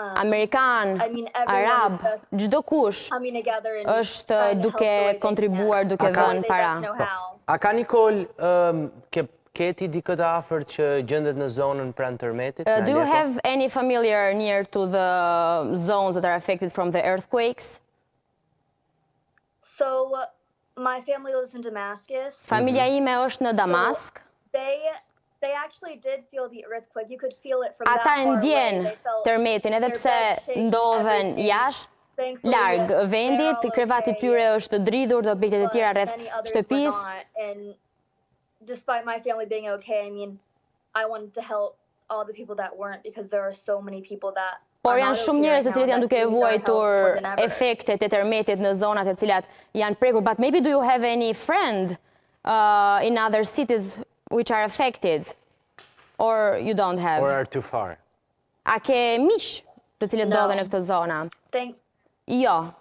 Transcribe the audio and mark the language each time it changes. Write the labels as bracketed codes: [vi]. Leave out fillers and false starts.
[sq] Amerikan, Arab, çdo kush është duke kontribuar, duke dhënë para. A ka Nicole, ke ti dikë të afërt që gjendet në zonën pranë tërmetit? [en] Do you have any familiar near to the zones that are affected from the earthquakes? So, my family lives in Damascus. [sq] Familja ime është në Damask. [en] They actually did feel the earthquake. You could feel it from that far away. [sq] Ata ndjen tërmetin, edhe pse ndodhen jashtë, larg vendit, krevati I tyre është dridhur dhe objektet e tjera rreth shtëpisë. [en] Despite my family being okay, I mean, I wanted to help all the people that weren't because there are so many people that [sq] Por janë shumë njerëz të cilët janë duke vuajtur efektet e tërmetit në zonat e cilat janë prekur. [en] But maybe do you have any friend in other cities which are affected or you don't have or are too far [sq] a ke miq të cilët ndodhen në këtë zonë jo